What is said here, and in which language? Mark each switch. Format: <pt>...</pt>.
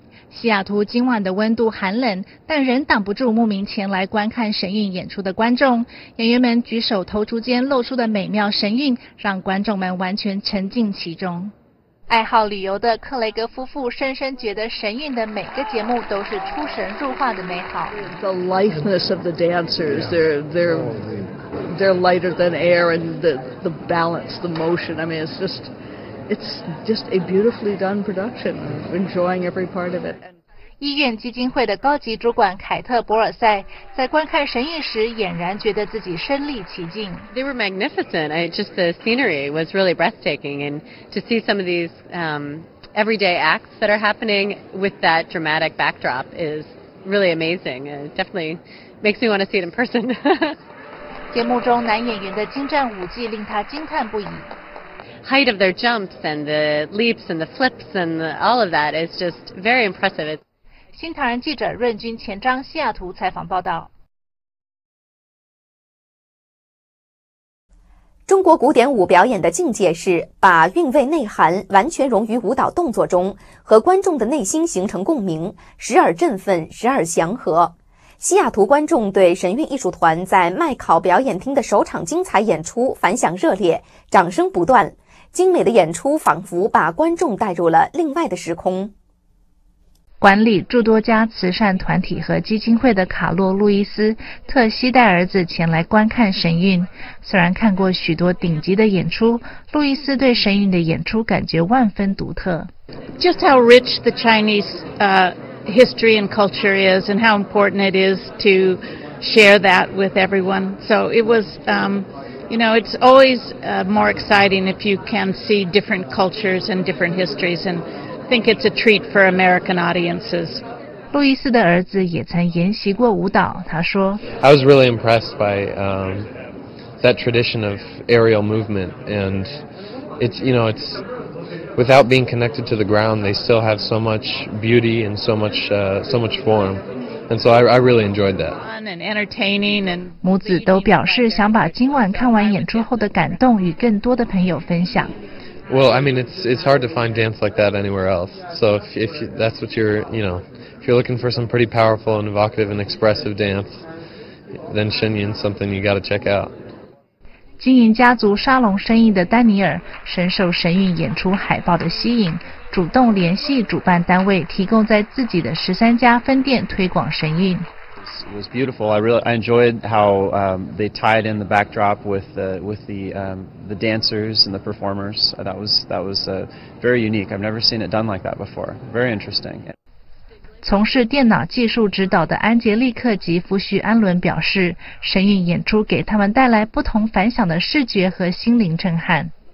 <zh>西雅图今晚的温度寒冷，但仍挡不住慕名前来观看神韵演出的观众。演员们举手投足间露出的美妙神韵，让观众们完全沉浸其中。爱好旅游的克雷格夫妇深深觉得神韵的每个节目都是出神入化的美好。</zh> <en>The litheness of the dancers, they're lighter than air, and the balance, the motion. I mean, it's just a beautifully done production. Enjoying every part of it.</en> <zh>医院基金会的高级主管凯特·博尔塞在观看神韵时，俨然觉得自己身临其境。</zh> <en>They were magnificent. Just the scenery was really breathtaking, and to see some of these everyday acts that are happening with that dramatic backdrop is really amazing. It definitely makes me want to see it in person.</en> <zh>节目中男演员的精湛舞技令他惊叹不已。</zh> <en>Height of their jumps and the leaps and the flips and all of that is just very impressive.</en> <zh>新唐人记者润君、钱章西雅图采访报道。中国古典舞表演的境界是把韵味内涵完全融于舞蹈动作中，和观众的内心形成共鸣，时而振奋，时而祥和。西雅图观众对神韵艺术团在麦考表演厅的首场精彩演出反响热烈，掌声不断。精美的演出仿佛把观众带入了另外的时空。管理诸多家慈善团体和基金会的卡洛·路易斯·特西带儿子前来观看神韵。虽然看过许多顶级的演出，路易斯对神韵的演出感觉万分独特。</zh> <en>Just how rich the Chinese history and culture is, and how important it is to share that with everyone. So it was, you know, it's always more exciting if you can see different cultures and different histories, and I think it's a treat for American audiences.</en> <zh>路易斯的儿子也曾研习过舞蹈，他说</zh> <en>I was really impressed by that tradition of aerial movement, and it's, you know, it's without being connected to the ground, they still have so much beauty and so much form. And so I really enjoyed that.</en> <zh>母子都表示想把今晚看完演出后的感动与更多的朋友分享。</zh> <en>Well, I mean, it's hard to find dance like that anywhere else. So if that's what you're, you know, if you're looking for some pretty powerful and evocative and expressive dance, then Shen Yin's something you got to check out.</en> <zh>经营家族沙龙生意的丹尼尔深受神韵演出海报的吸引。主动联系主办单位，提供在自己的13家分店推广神韵。</zh> <en>It was beautiful. I enjoyed how they tied in the backdrop with the dancers and the performers. That was very unique. I've never seen it done like that before. Very interesting.</en> <zh>从事电脑技术指导的安杰利克及福许安伦表示，神韵演出给他们带来不同凡响的视觉和心灵震撼。</zh>